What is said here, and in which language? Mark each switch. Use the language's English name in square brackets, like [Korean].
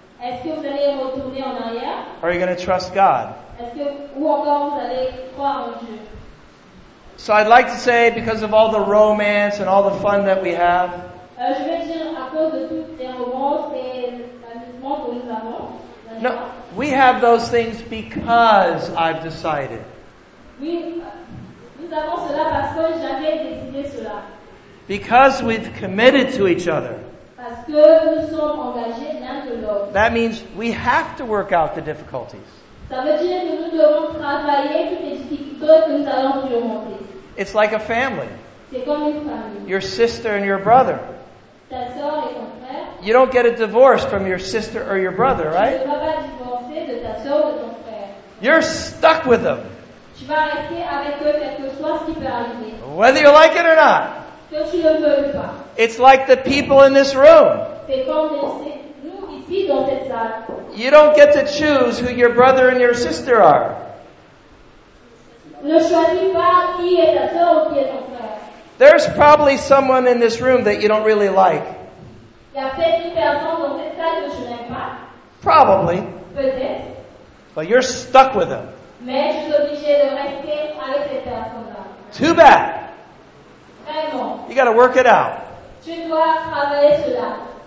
[French] Est-ce que vous allez retourner en arrière? [English] Or are you going to trust God? [French] Est-ce que, ou encore vous allez croire en Dieu? [English] So I'd like to say, because of all the romance and all the fun that we have, [French] je vais dire, à cause de toutes les romances et l'amusement que nous avons, [English] no, we have those things because I've decided. [French] Oui, nous savons cela parce que j'avais décidé cela. [English] Because we've committed to each other. [French] Parce que nous sommes engagés l'un de l'autre. [English] That means we have to work out the difficulties. [French] Ça veut dire que nous devons travailler toutes les difficultés que nous allons surmonter. [English] It's like a family. [French] C'est comme une famille. [English] Your sister and your brother. [French] Ta sœur et ton frère. [English] You don't get a divorce from your sister or your brother, right? [French] Tu ne vas pas divorcer de ta sœur ou de ton frère. [English] You're stuck with them. [French] Tu vas rester avec eux quelque soit ce qui peut arriver. [English] Whether you like it or not. [French] Que tu le veux ou pas. [English] It's like the people in this room. [French] C'est comme nous ici dans cette salle. [English] You don't get to choose who your brother and your sister are. [French] Ne choisis pas qui est ta sœur ou qui est ton frère. [English] There's probably someone in this room that you don't really like. [French] Il y a peut-être une personne dans cette salle que je n'aime pas. [English] Probably. [French] Peut-être. [English] But you're stuck with them. [French] Mais je suis obligé de rester avec cette personne-là. [English] Too bad. [French] Vraiment. [English] You got to work it out. [French] Tu dois travailler cela.